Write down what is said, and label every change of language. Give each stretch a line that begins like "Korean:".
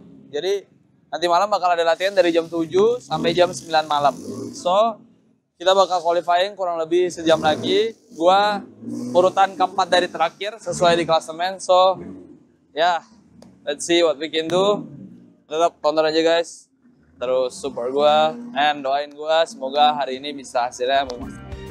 Indonesian: Jadi nanti malam bakal ada latihan dari jam 7 sampai jam 9 malam. So, kita bakal qualifying kurang lebih sejam lagi. Gua urutan keempat dari terakhir sesuai di klasemen.
English: So, yeah, let's see what we can do.
Indonesian: Tetap tonton aja guys. Terus support gua and doain gua. Semoga hari ini bisa hasilnya memuaskan.